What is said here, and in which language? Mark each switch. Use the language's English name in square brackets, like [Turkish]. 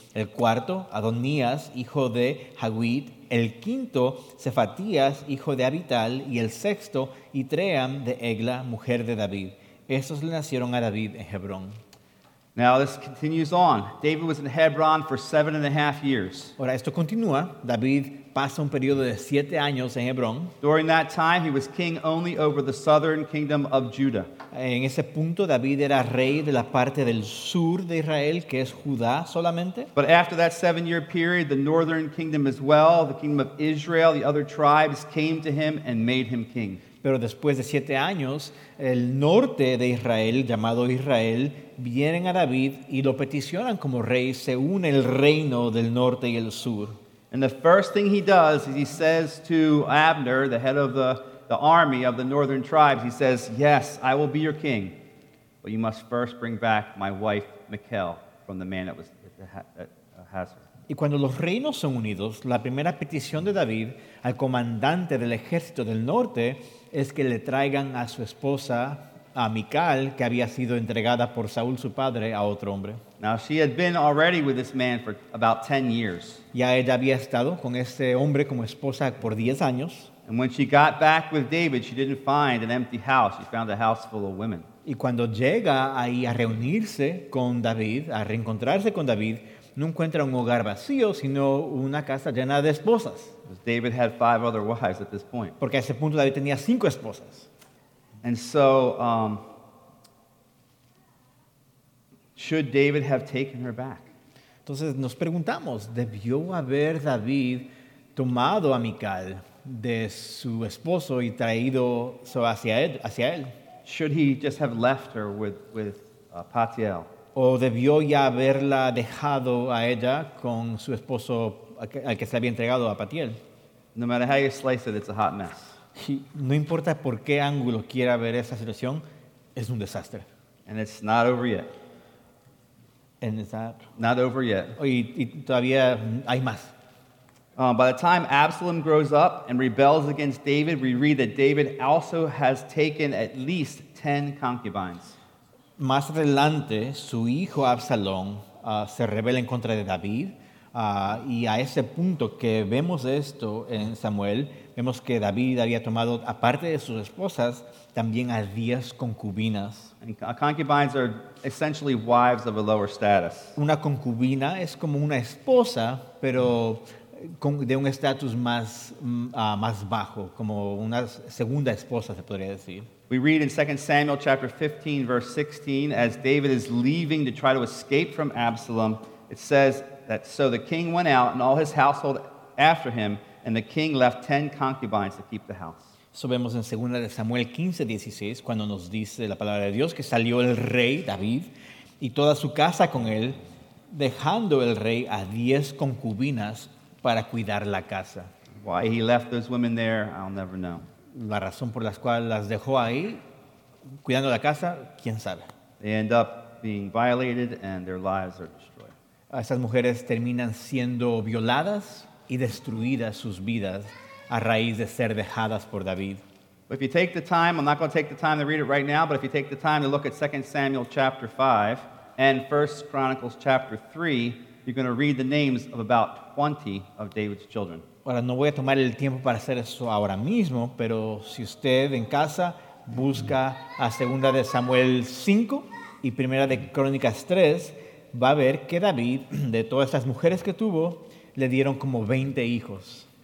[Spanish] El cuarto, Adonías, hijo de Haggith. El quinto, Sephatías, hijo de Abital. Y el sexto, Itream de Egla, mujer de David. Estos le nacieron a David en Hebrón. [English] Now this continues on. David was in Hebron for 7.5 years. [Spanish] Ahora esto continúa. David pasa un periodo de 7 años en Hebrón. [English] During that time, he was king only over the southern kingdom of Judah. [Spanish] En ese punto, David era rey de la parte del sur de Israel, que es Judá solamente. [English] But after that 7-year period, the northern kingdom as well, the kingdom of Israel, the other tribes came to him and made him king. [Spanish] Pero después de 7 años, el norte de Israel, llamado Israel, vienen a David y lo peticionan como rey, se une el reino del norte y el sur. [English] And the first thing he does is he says to Abner, the head of the army of the northern tribes, he says, "Yes, I will be your king, but you must first bring back my wife Michal from the man that was at Hazor." [Spanish] Y cuando los reinos son unidos, la primera petición de David al comandante del ejército del norte es que le traigan a su esposa, a Michal, que había sido entregada por Saúl, su padre, a otro hombre. [English] Now, she had been already with this man for about 10 years. [Spanish] Ya ella había estado con este hombre como esposa por 10 años. [English] And when she got back with David, she didn't find an empty house. She found a house full of women. [Spanish] Y cuando llega ahí a reunirse con David, a reencontrarse con David, no encuentra un hogar vacío, sino una casa llena de esposas. [English] David had 5 other wives at this point. [Spanish] Porque a ese punto David tenía 5 esposas. [English] And so, should David have taken her back? [Spanish] Entonces nos preguntamos, ¿debió haber David tomado a Michal de su esposo y traído hacia él? [English] Should he just have left her with Paltiel? [Spanish] ¿O debió ya haberla dejado a ella con su esposo al que se había entregado a Paltiel? [English] No matter how you slice it, it's a hot mess. [Spanish] No importa por qué ángulo quiera ver esa situación, es un desastre. [English] And it's not over yet. And it's not. Not over yet. [Spanish] Y todavía hay más. [English] By the time Absalom grows up and rebels against David, we read that David also has taken at least 10 concubines. [Spanish] Más adelante, su hijo Absalón se rebela en contra de David. Y a ese punto que vemos esto en Samuel, vemos que David había tomado, aparte de sus esposas, también a 10 concubinas. [English] Concubines are essentially wives of a lower status. [Spanish] Una concubina es como una esposa, pero de un estatus más más bajo, como una segunda esposa, se podría decir. [English] We read in 2 Samuel chapter 15, verse 16, as David is leaving to try to escape from Absalom, it says that, so the king went out and all his household after him, and the king left 10 concubines to keep the house. [Spanish] So vemos en 2 Samuel 15, 16, cuando nos dice la palabra de Dios que salió el rey David y toda su casa con él, dejando el rey a 10 concubinas para cuidar la casa. [English] Why he left those women there, I'll never know. [Spanish] La razón por la cual las dejó ahí, cuidando la casa, quién sabe. [English] They end up being violated and their lives are destroyed. [Spanish] Esas mujeres terminan siendo violadas y destruidas sus vidas a raíz de ser dejadas por David. [English] If you take the time, I'm not going to take the time to read it right now, but if you take the time to look at 2 Samuel chapter 5 and 1 Chronicles chapter 3, you're going to read the names of about 20 of David's children. [Spanish] Ahora, no voy a tomar el tiempo para hacer eso ahora mismo, pero si usted en casa busca a 2 de Samuel 5 y 1 de Crónicas 3, va a ver que David, de todas estas mujeres que tuvo, le dieron como 20 hijos.